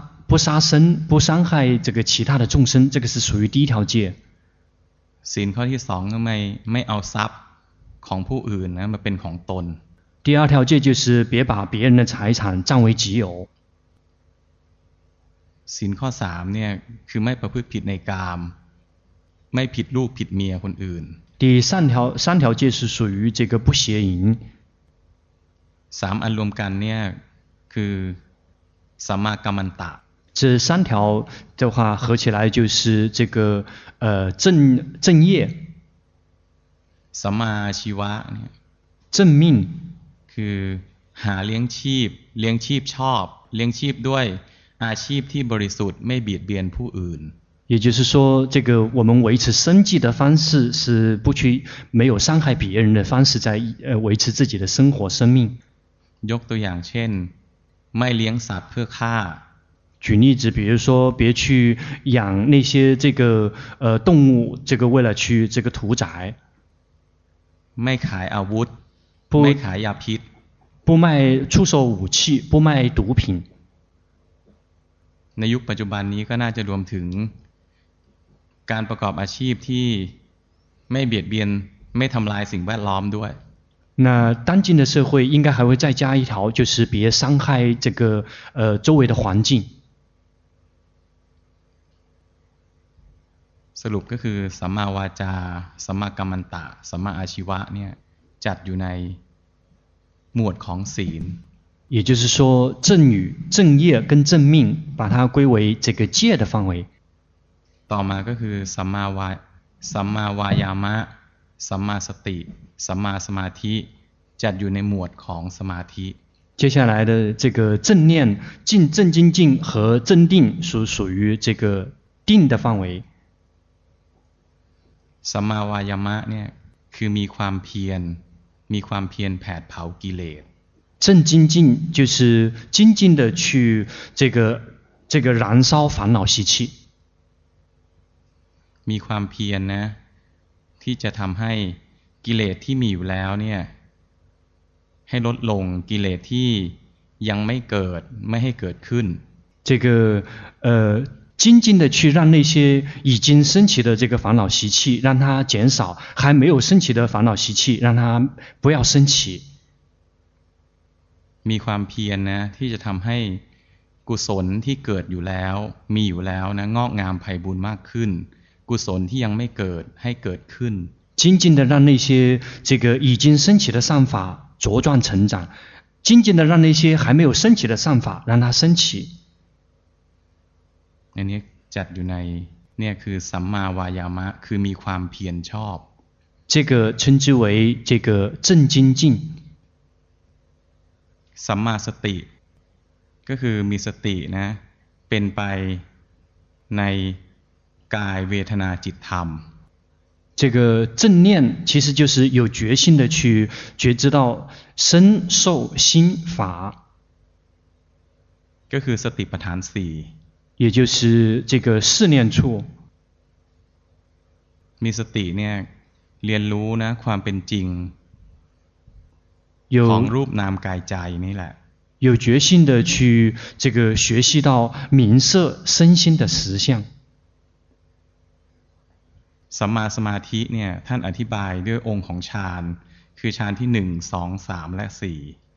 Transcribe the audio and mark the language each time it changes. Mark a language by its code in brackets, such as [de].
[zh] 不杀生不伤害这个其他的众生这个是属于第一条戒 [th] ศีลข้อที่2ไม่เอาทรัพย์ของผู้อื่นนะมาเป็นของตน [zh] 第二条戒就是别把别人的财产占为己有 [th] ศีลข้อ3เนี่ยคือไม่ประพฤติผิดในกามไม่ผิดลูกผิดเมียคนอื่น [zh] 第三条戒是属于这个不邪淫 [th] 3อันรวมกันเนี่ยคือสัมมากัมมันตะ [zh] 这三条的话合起来就是这个正业 [th] สัมมาชีวะ [zh] 正命 [th] คือหาเลี้ยงชีพเลี้ยงชีพชอบเลี้ยงชีพด้วยอาชีพที่บริสุทธิ์ไม่เบียดเบียนผู้อื่น [zh] 也就是说这个我们维持生计的方式是不去没有伤害别人的方式在维持自己的生活生命 [th] ยกตัวอย่างเช่นไม่เลี้ยงสัตว์เพื่อฆ่า [zh] 举例子，比如说，别去养那些这个动物，这个为了去这个屠宰。卖开啊，武，不卖开药品，不卖出售武器，不卖毒品。 [th] ในยุคปัจจุบันนี้ก็น่าจะรวมถึงการประกอบอาชีพที่ไม่เบียดเบียนไม่ทำลายสิ่งแวดล้อมด้วย [zh] 那当今的社会应该还会再加一条，就是别伤害这个周围的环境。 [th] รุปก็คือสัมมาวาจาสัมมากัมมันตะสัมมาอาชีวะเนี่ยจัดอยู่ในหมวดของศีล [zh] 也就是说正语正业跟正命把它归为这个戒的范围 [th] ต่อมาก็คือสัมมาวาสัมมาวายามะสัมมาสติสัมมาสมาธิจัดอยู่ในหมวดของสมาธิ [zh] 接下来的这个正念静正精进和正定属于这个定的范围 [th] สัมมาวายามะเนี่ยคือมีความเพียรมีความเพียรแผดเผากิเลส [zh] 正精进就是精进的去这个燃烧烦恼习气 [th] มีความเพียรนะที่จะทำให้กิเลสที่มีอยู่แล้วเนี่ยให้ลดลงกิเลสที่ยังไม่เกิดไม่ให้เกิดขึ้น [zh] 这个精进的去让那些已经升起的这个烦恼习气让它减少还没有升起的烦恼习气让它不要升起 [th] มีความเพียรนะที่จะทำให้กุศลที่เกิดอยู่แล้วมีอยู่แล้วนะงอกงามไพบูลย์มากขึ้นกุศลที่ยังไม่เกิดให้เกิดขึ้น [zh] 精进的让那些这个已经升起的善法茁壮成长精进的让那些还没有升起的善法让它升起 [th] อันนี้จัดอยู่ในเนี่ยคือสัมมาวายามะคือมีความเพียรชอบ [zh] 这个称之为这个正精进 [th] สัมมาสติก็คือมีสตินะเป็นไปในกายเวทนาจิตธรรม [zh] 这个正念其实就是有决心的去觉知到身受心法 [th] ก็คือสติปัฏฐาน4 [zh] 也就是这个四念处 [th] มีสติเนี่ยเรียนรู้นะความเป็นจริงของรูปนามกายใจนี่แหละ [zh] 有决心的去这个学习到名色身心的实相 [th] สัมมาสมาธิเนี่ยท่านอธิบายด้วยองค์ของฌานคือฌานที่1 2 3และ4